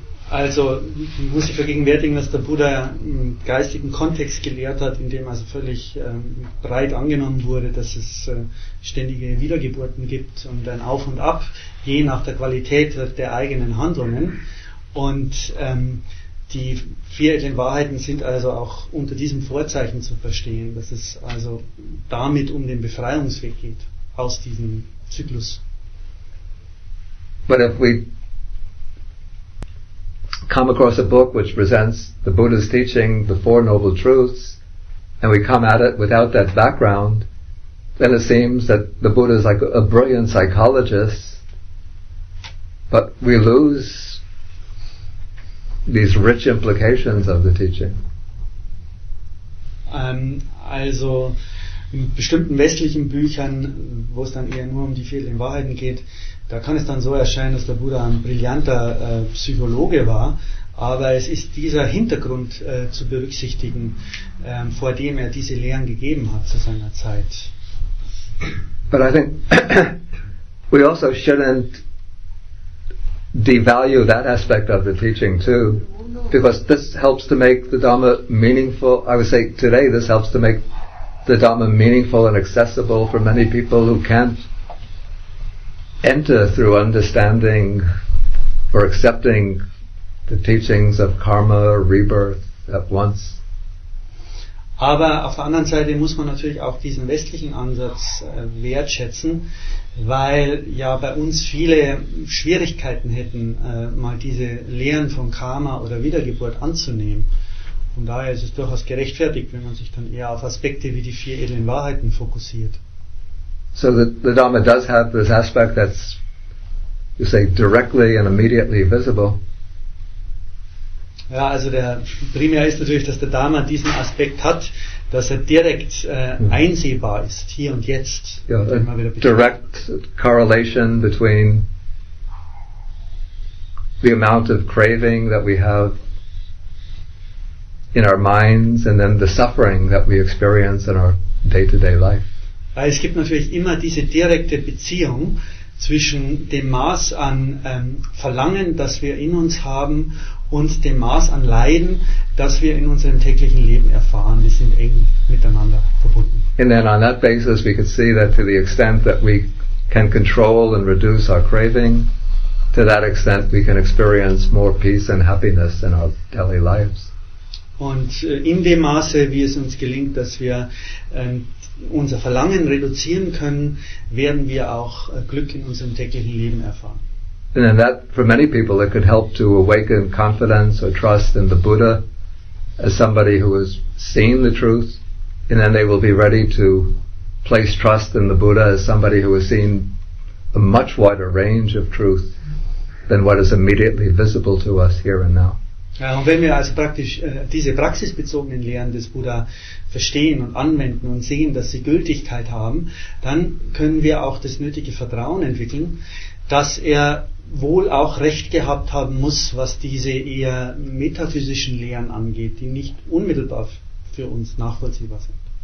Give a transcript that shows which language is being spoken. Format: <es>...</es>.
<de>Also muss ich vergegenwärtigen, dass der Buddha im geistigen Kontext gelehrt hat, in dem also völlig breit angenommen wurde, dass es ständige Wiedergeburten gibt und ein Auf und Ab, je nach der Qualität der eigenen Handlungen. Und die vier edlen Wahrheiten sind also auch unter diesem Vorzeichen zu verstehen, dass es also damit um den Befreiungsweg geht aus diesem Zyklus.</de> <en>But if we come across a book which presents the Buddha's teaching, the Four Noble Truths, and we come at it without that background, then it seems that the Buddha is like a brilliant psychologist, but we lose these rich implications of the teaching.</en> <de>Also in bestimmten westlichen Büchern, wo es dann eher nur um die vielen Wahrheiten geht, da kann es dann so erscheinen, dass der Buddha ein brillanter Psychologe war, aber es ist dieser Hintergrund zu berücksichtigen, vor dem er diese Lehren gegeben hat zu seiner Zeit.</de> <en>But I think we also shouldn't devalue that aspect of the teaching too, because this helps to make the Dhamma meaningful. I would say today this helps to make the Dhamma meaningful and accessible for many people who can't enter through understanding or accepting the teachings of karma, rebirth at once.</en> <de>Aber auf der anderen Seite muss man natürlich auch diesen westlichen Ansatz wertschätzen, weil ja bei uns viele Schwierigkeiten hätten, mal diese Lehren von Karma oder Wiedergeburt anzunehmen. Von daher ist es durchaus gerechtfertigt, wenn man sich dann eher auf Aspekte wie die vier edlen Wahrheiten fokussiert.</de> <en>So the Dhamma does have this aspect that's, you say, directly and immediately visible.</en> <de>Ja, also der primär ist natürlich, dass der Dharma diesen Aspekt hat, dass er direkt einsehbar ist, hier und jetzt.</de> <en>Ja, yeah, direct correlation between the amount of craving that we have in our minds and then the suffering that we experience in our day-to-day life.</en> <de>Weil es gibt natürlich immer diese direkte Beziehung zwischen dem Maß an Verlangen, das wir in uns haben, und dem Maß an Leiden, das wir in unserem täglichen Leben erfahren. Die sind eng miteinander verbunden.</de> <en>And then on that basis we could see that to the extent that we can control and reduce our craving, to that extent we can experience more peace and happiness in our daily lives.</en> <de>Und in dem Maße, wie es uns gelingt, dass wir unser Verlangen reduzieren können, werden wir auch Glück in unserem täglichen Leben erfahren.</de> <en>And then that, for many people, it could help to awaken confidence or trust in the Buddha as somebody who has seen the truth, and then they will be ready to place trust in the Buddha as somebody who has seen a much wider range of truth than what is immediately visible to us here and now.</en> <de>Ja, und wenn wir also praktisch diese praxisbezogenen Lehren des Buddha verstehen und anwenden und sehen, dass sie Gültigkeit haben, dann können wir auch das nötige Vertrauen entwickeln, dass er wohl auch Recht gehabt haben muss, was diese eher metaphysischen Lehren angeht, die nicht unmittelbar für uns nachvollziehbar sind.</de>